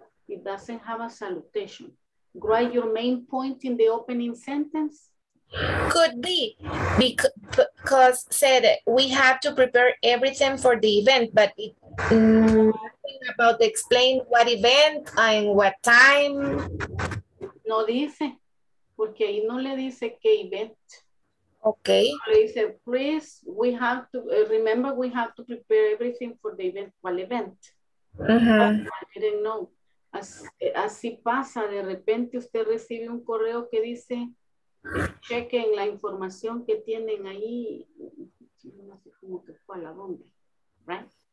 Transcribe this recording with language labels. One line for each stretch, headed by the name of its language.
English: It doesn't have a salutation. Write your main point in the opening sentence? Could be, because said we have to prepare everything for the event, but it, nothing about explain what event and what time.
Spanish: No dice, porque ahí no le dice qué event.
English: Okay.
Spanish: No le dice,
English: please, we have to, remember we have to prepare everything for the event, what event? Uh-huh. I didn't know.
Spanish: Así pasa, de repente usted recibe un correo que dice, chequen la información que tienen ahí, no sé cómo que fue a la bomba, right?